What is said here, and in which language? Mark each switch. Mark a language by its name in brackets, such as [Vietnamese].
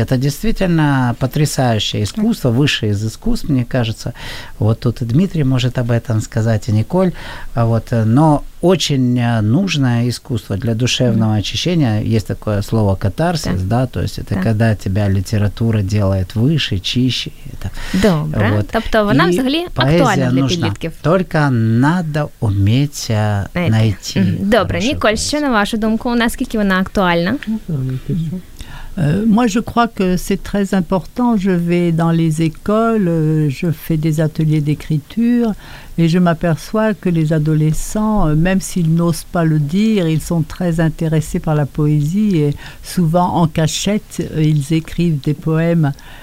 [Russian] Это действительно потрясающее искусство, высшее из искусств, мне кажется. Вот тут и Дмитрий может об этом сказать, и Николь. Вот. Но очень нужное искусство для душевного очищения. Есть такое слово катарсис, да, то есть это когда тебя литература делает выше, чище. Это. [Ukrainian] Добре. Вот. Тобто вона взагалі актуальна для підлітків. Тільки треба уміти знайти. Добре, Николь, що на вашу думку, наскільки вона актуальна? [French] Moi, je crois que c'est très important. Je vais dans les écoles, je fais des ateliers d'écriture et je m'aperçois que les adolescents, même s'ils n'osent pas le dire, ils sont très intéressés par la poésie et souvent en cachette, ils écrivent des poèmes.